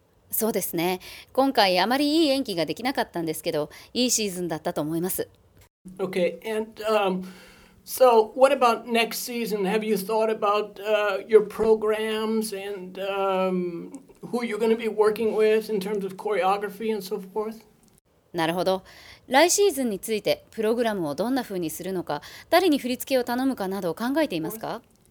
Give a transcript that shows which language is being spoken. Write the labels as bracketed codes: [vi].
[ja] そうですね。今回あまりいい演技ができなかったんですけど、いいシーズンだったと思います。 [en] Okay, and so what about next season? Have you thought about your programs and who you're going to be working with in terms of choreography and so forth? [ja] なるほど。来シーズンについてプログラムをどんな風にするのか、誰に振り付けを頼むかなどを考えていますか？